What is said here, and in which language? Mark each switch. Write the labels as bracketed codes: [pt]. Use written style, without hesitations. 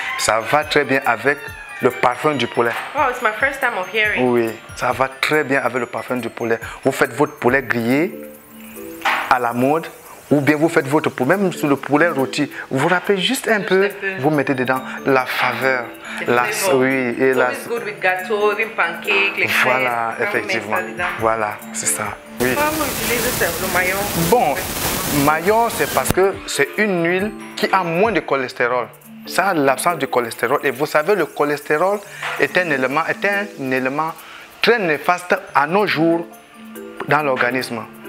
[fr] Ça va très bien avec le parfum du poulet. [en] Oh, it's my first time of hearing. [fr] Oui, ça va très bien avec le parfum du poulet. Vous faites votre poulet grillé à la mode, ou bien vous faites votre poulet, même sur le poulet rôti. Vous râpez juste un peu, vous mettez dedans la faveur. [en] The [fr] la [en] flavor. [fr] Oui, [en] et it's la. It's good with gâteau, even pancake, les crêpes. [fr] Voilà, effectivement. Voilà, c'est ça. Oui. Comment utilisez-vous le mayo? Bon, mayo, c'est parce que c'est une huile qui a moins de cholestérol. Ça, l'absence du cholestérol. Et vous savez, le cholestérol est un élément très néfaste à nos jours dans l'organisme.